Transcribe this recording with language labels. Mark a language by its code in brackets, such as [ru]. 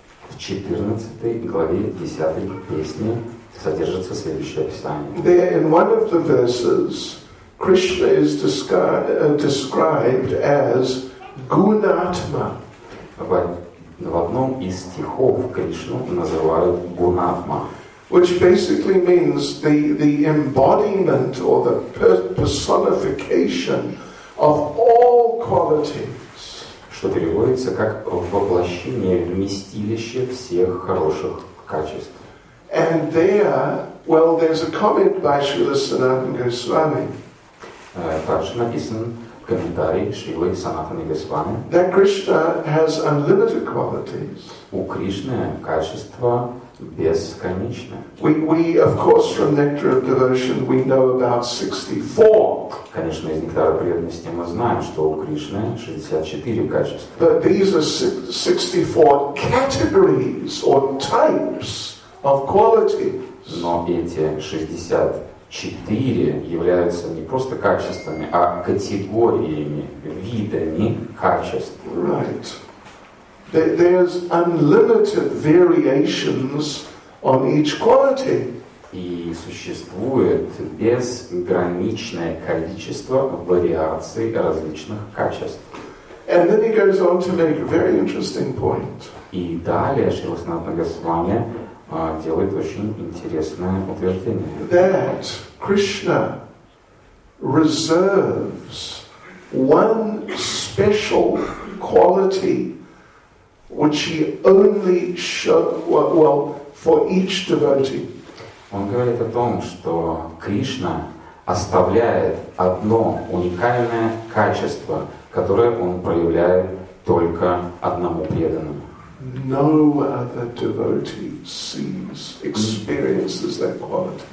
[ru] В 14 главе 10 песни. Содержится следующее описание. [en] There in one of the verses, Krishna is described as Gunatma. [ru] В одном из стихов Кришну называют Гунатма. [en] Which basically means the embodiment or the personification of all qualities. [ru] Что переводится как воплощение, вместилище всех хороших качеств. [en] And there, well, there's a comment by Śrīla Sanātana Gosvāmī. [ru] Также написан комментарий Шрилы Санатаны Госвами. [en] That Krishna has unlimited qualities. [ru] У Кришны качества бесконечны. [en] We of course from Nectar of Devotion we know about 64. [ru] Конечно, из Нектара преданности мы знаем, что у Кришны 64 качества. [en] But these are 64 categories or types of qualities. [ru] Но эти 64 являются не просто качествами, а категориями, видами качеств. [en] Right. There's unlimited variations on each quality. [ru] И существует безграничное количество вариаций различных качеств. [en] And then he goes on to make a very interesting point. [ru] И далее Шрила Санатана Госвами делает очень интересное утверждение. [en] That Krishna reserves one special quality which he only shows, well, for each devotee. [ru] Он говорит о том, что Кришна оставляет одно уникальное качество, которое он проявляет только одному преданному. [en] No other devotee sees, experiences that quality.